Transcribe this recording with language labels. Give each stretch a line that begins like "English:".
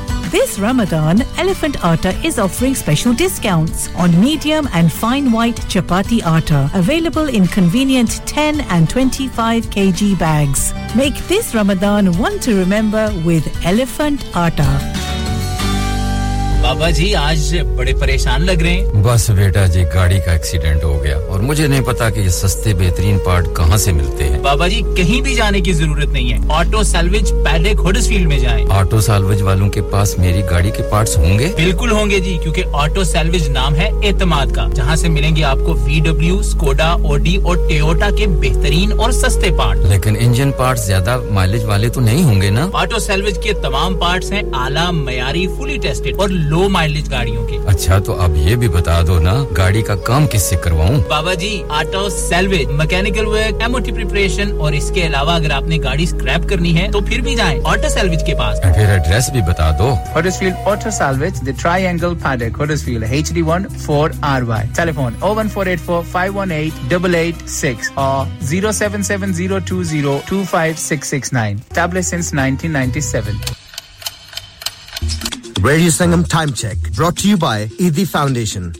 English: This Ramadan, Elephant Atta is offering special discounts on medium and fine white chapati atta, available in convenient 10 and 25 kg bags. Make this Ramadan one to remember with Elephant Atta.
Hindi: बाबा जी आज बड़े परेशान लग रहे हैं बस बेटा जी गाड़ी का एक्सीडेंट हो गया और मुझे नहीं पता कि ये सस्ते बेहतरीन पार्ट कहां से मिलते हैं बाबा जी कहीं भी जाने की जरूरत नहीं है ऑटो सेल्वेज पहले हडर्सफील्ड में जाएं ऑटो सेल्वेज वालों के पास मेरी गाड़ी के पार्ट्स होंगे बिल्कुल होंगे जी क्योंकि ऑटो सेल्वेज नाम है एतमाद का जहां से मिलेंगे आपको VW Skoda Audi और Toyota के बेहतरीन और सस्ते पार्ट लेकिन इंजन पार्ट्स ज्यादा माइलेज वाले तो नहीं होंगे ना ऑटो सेल्वेज के तमाम पार्ट्स हैं आला मयारी फुली टेस्टेड और लो माइलेज गाड़ियों के अच्छा तो अब ये भी बता दो ना गाड़ी का काम किससे करवाऊं बाबा जी auto salvage mechanical work MOT preparation और इसके अलावा अगर आपने गाड़ी स्क्रैप करनी है तो फिर भी जाएं ऑटो सेल्वेज के पास फिर एड्रेस भी बता दो Huddersfield auto salvage the triangle paddock Huddersfield HD1 4RY telephone 01484518886 और 0770202569 tablet since 1997
English: Radio Sangam Time Check brought to you by Eidi Foundation.